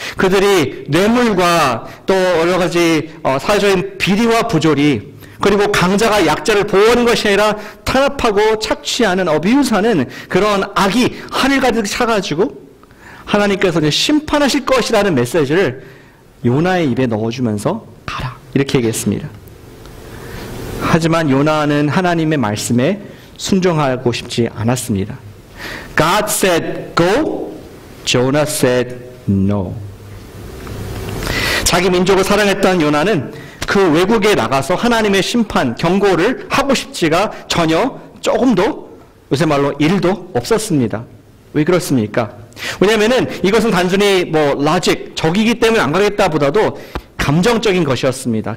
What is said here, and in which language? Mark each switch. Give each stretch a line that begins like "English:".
Korean: 그들이 뇌물과 또 여러 가지 사회적인 비리와 부조리 그리고 강자가 약자를 보호하는 것이 아니라 탄압하고 착취하는 어뷰스하는 그런 악이 하늘 가득 차가지고 하나님께서 이제 심판하실 것이라는 메시지를 요나의 입에 넣어주면서 가라 이렇게 얘기했습니다. 하지만 요나는 하나님의 말씀에 순종하고 싶지 않았습니다.
English: God said go, Jonah said no.
Korean: 자기 민족을 사랑했던 요나는 그 외국에 나가서 하나님의 심판, 경고를 하고 싶지가 전혀 조금도, 요새 말로 일도 없었습니다. 왜 그렇습니까? 왜냐면은 이것은 단순히 뭐, 라직, 적이기 때문에 안 가겠다 보다도 감정적인 것이었습니다.